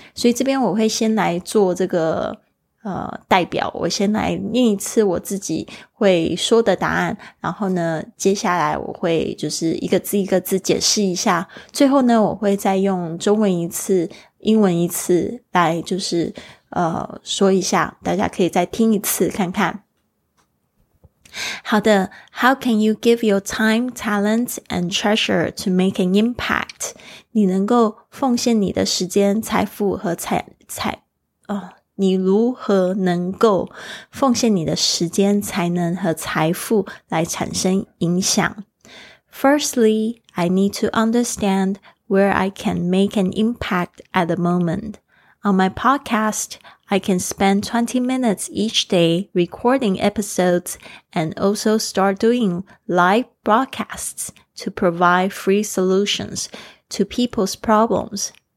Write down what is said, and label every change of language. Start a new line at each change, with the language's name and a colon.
Chinese: 所以这边我会先来做这个代表，我先来念一次我自己会说的答案，然后呢接下来我会就是一个字一个字解释一下，最后呢我会再用中文一次、英文一次来就是说一下，大家可以再听一次看看。好的，
English: How can you give your time, talents, and treasure to make an impact?
Chinese: 你能够奉献你的时间、财富和你如何能够奉献你的时间、才能和财富来产生影响？
English: Firstly, I need to understand where I can make an impact at the moment. On my podcast, I can spend 20 minutes each day recording episodes and also start doing live broadcasts to provide free solutions to people's problems.